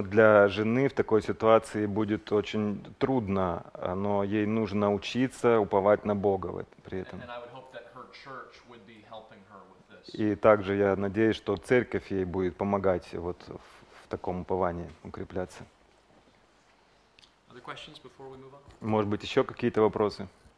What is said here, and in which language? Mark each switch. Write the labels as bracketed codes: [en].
[ru] Но для жены в такой ситуации будет очень трудно, но ей нужно учиться уповать на Бога при этом. [en] And I would hope that her church would be helping her with this. [ru] И также я надеюсь, что церковь ей будет помогать вот в таком уповании укрепляться. [en] Other questions before we move on? [ru] Может быть, еще какие-то вопросы?